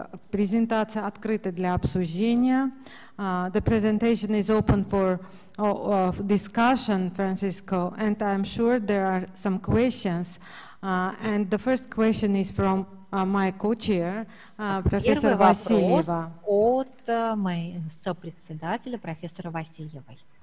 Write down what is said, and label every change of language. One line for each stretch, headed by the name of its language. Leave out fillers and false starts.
Russian: Презентация открыта для обсуждения.
English: The presentation is open for of discussion, Francisco, and I'm sure there are some questions. And the first question is from my co-chair, Professor Vasilyeva.
Russian: От моего сопредседателя профессора Васильевой.